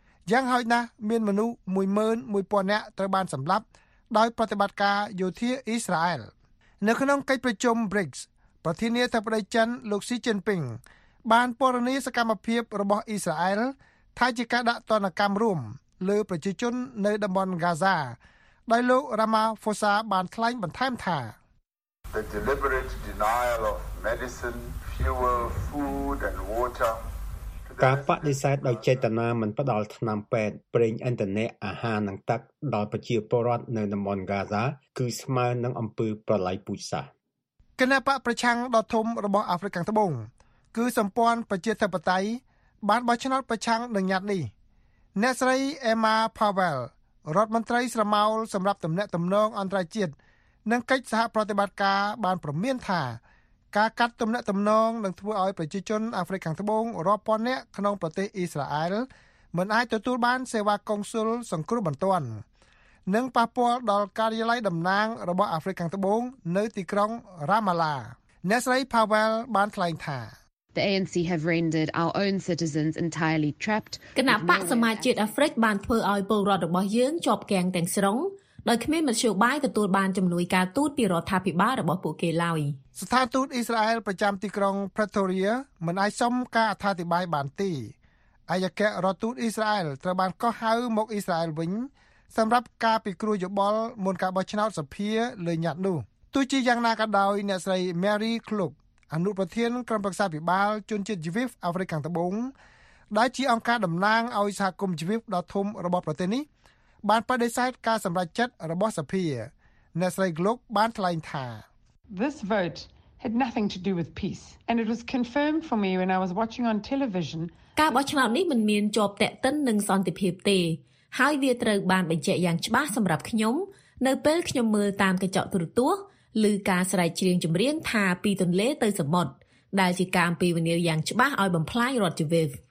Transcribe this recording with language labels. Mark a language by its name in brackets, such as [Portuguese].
[Khmer] យ៉ាងហោចណាស់មានមនុស្ស 11,000 នាក់ត្រូវបានសម្លាប់ដោយប្រតិបត្តិការយោធាអ៊ីស្រាអែលនៅក្នុងកិច្ចប្រជុំ BRICS ប្រធានាធិបតីចិនលោកស៊ីជីនពីងបានពណ៌នាសកម្មភាពរបស់អ៊ីស្រាអែលថាជាការដាក់ទណ្ឌកម្មរួមលើប្រជាជននៅតំបន់ហ្គាហ្សាដោយលោករ៉ាម៉ាហ្វូសាបានថ្លែងបន្ថែមថា [English] The deliberate denial of medicine, fuel, food, and water. [Khmer] ការបដិសេធដោយចេតនាមិនផ្តល់ថ្នាំពេទ្យប្រេងឥន្ធនៈអាហារនិងទឹកដល់ប្រជាពលរដ្ឋនៅតំបន់ហ្គាហ្សាគឺស្មើនឹងអំពើប្រល័យពូជសាសន៍គណបកប្រឆាំងដ៏ធំរបស់អាហ្វ្រិកខាងត្បូងគឺសម្ព័ន្ធប្រជាធិបតេយ្យបានបោះឆ្នោតប្រឆាំងនឹងញត្តិនេះអ្នកស្រីអេម៉ាផាវែលរដ្ឋមន្ត្រីស្រមោលសម្រាប់ទំនាក់ទំនងអន្តរជាតិនិងកិច្ចសហប្រតិបត្តិការបានព្រមានថា ការកាត់ទំនាក់ទំនងនឹងធ្វើឲ្យប្រជាជនអាហ្វ្រិកខាងត្បូងរាប់ពាន់នាក់ក្នុងប្រទេសអ៊ីស្រាអែលមិនអាចទទួលបានសេវាកុងស៊ុលសង្គ្រោះបន្ទាន់និងប៉ះពាល់ដល់ការិយាល័យតំណាងរបស់អាហ្វ្រិកខាងត្បូងនៅទីក្រុងរ៉ាម៉ាឡាអ្នកស្រីផាវែលបានថ្លែងថា [English] The ANC have rendered our own citizens entirely trapped. [Khmer] គណបក្សសមាជិកអាហ្វ្រិកបានធ្វើឲ្យពលរដ្ឋរបស់យើងជាប់គាំងទាំងស្រុងដោយគ្មានមធ្យោបាយទទួលបានជំនួយការទូតពីរដ្ឋាភិបាលរបស់ពួកគេឡើយ ស្ថានទូតអ៊ីស្រាអែលប្រចាំទីក្រុង Pretoria មិនអាចសុំការអត្ថាធិប្បាយបានទេអយ្យកៈរដ្ឋទូតអ៊ីស្រាអែលត្រូវបានកោះហៅមកអ៊ីស្រាអែលវិញសម្រាប់ការពិគ្រោះយោបល់មុនការបោះឆ្នោតសភាលើញត្តិនោះទោះជាយ៉ាងណាក៏ដោយអ្នកស្រី Mary Cluck អនុប្រធានក្រុមប្រឹក្សាភិបាលជនជាតិ Jewish អាហ្វ្រិកខាងត្បូងដែលជាអង្គការតំណាងឲ្យសហគមន៍ Jewish ដ៏ធំរបស់ប្រទេសនេះបានបដិសេធការសម្រេចចិត្តរបស់សភាអ្នកស្រី Gluck បានថ្លែងថា [English] This vote had nothing to do with peace and it was confirmed for me when I was watching on television [Khmer] ការបោះឆ្នោតនេះមិនមានជាប់តាក់ទិននឹងសន្តិភាពទេហើយវាត្រូវបានបញ្ជាក់យ៉ាងច្បាស់សម្រាប់ខ្ញុំនៅពេលខ្ញុំមើលតាមកញ្ចក់ទូរទស្សន៍ឬការស្រែកច្រៀងចម្រៀងថាពីទន្លេទៅសមុទ្រដែលជាការអំពាវនាវយ៉ាងច្បាស់ឲ្យបំផ្លាញរដ្ឋជីវិត